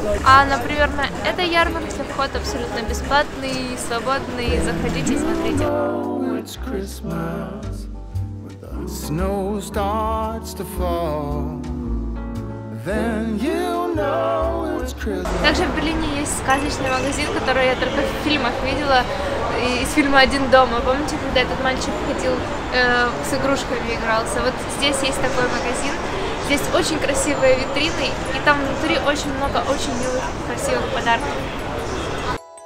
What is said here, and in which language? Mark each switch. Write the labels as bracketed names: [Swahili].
[Russian] А, например, на этой ярмарке вход абсолютно бесплатный, свободный, заходите и смотрите. [English] Snow starts to fall, then you know it's Christmas. [Russian] Также в Берлине есть сказочный магазин, который я только в фильмах видела, из фильма «Один дома». Помните, когда этот мальчик ходил, с игрушками игрался? Вот здесь есть такой магазин, здесь очень красивые витрины, и там внутри очень много очень милых, красивых подарков.